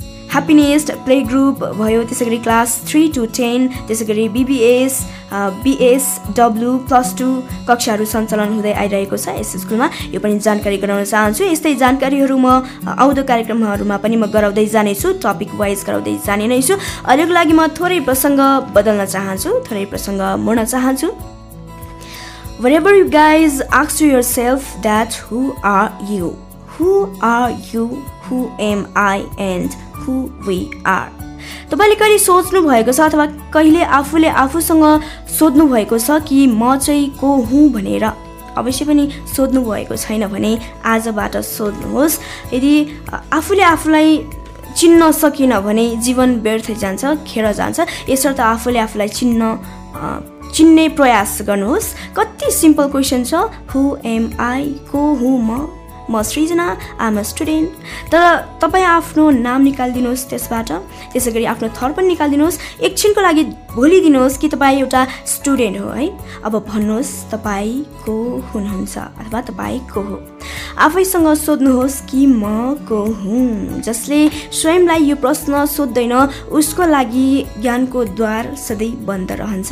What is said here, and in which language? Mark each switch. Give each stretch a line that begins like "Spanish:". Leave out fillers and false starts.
Nepali: ह्याप्पिनेस्ट play group भयो, त्यसै गरी क्लास 3 to 10, त्यसै गरी बिबिएस बिएसडब्ल्यू प्लस 2 कक्षाहरू सञ्चालन हुँदै आइरहेको छ यस स्कुलमा। यो पनि जानकारी गराउन चाहन्छु। यस्तै जानकारीहरू म आउँदो कार्यक्रमहरूमा पनि म गराउँदै जानेछु, टपिक वाइज गराउँदै जाने नै छु। अहिलेको लागि म थोरै प्रसङ्ग बदल्न चाहन्छु, थोरै प्रसङ्ग मोड्न चाहन्छु।
English: Whenever you guys ask to yourself that who are you? Who are you? Who am I? And who we are?
Nepali: तपाईँले कहिले सोच्नु भएको छ अथवा कहिले आफूले आफूसँग सोध्नु भएको छ कि म चाहिँ को हुँ भनेर? अवश्य पनि सोध्नु भएको छैन भने आजबाट सोध्नुहोस्। यदि आफूले आफूलाई चिन्न सकिन भने जीवन व्यर्थ जान्छ, खेर जान्छ। यसर्थ आफूले आफूलाई चिन्ने प्रयास गर्नुहोस्। कति सिम्पल क्वेसन छ,
English: who am I,
Nepali: को हुँ म सृजना,
English: Am a student.
Nepali: तर तपाईँ आफ्नो नाम निकालिदिनुहोस् त्यसबाट, त्यसै गरी आफ्नो थर पनि निकालिदिनुहोस्। एकछिनको लागि भुलिदिनुहोस् कि तपाईँ एउटा स्टुडेन्ट हो है। अब भन्नुहोस् तपाईँ को हुनुहुन्छ अथवा तपाईँ को हो। आफैसँग सोध्नुहोस् कि म को हुँ। जसले स्वयंलाई यो प्रश्न सोध्दैन उसको लागि ज्ञानको द्वार सधैँ बन्द रहन्छ।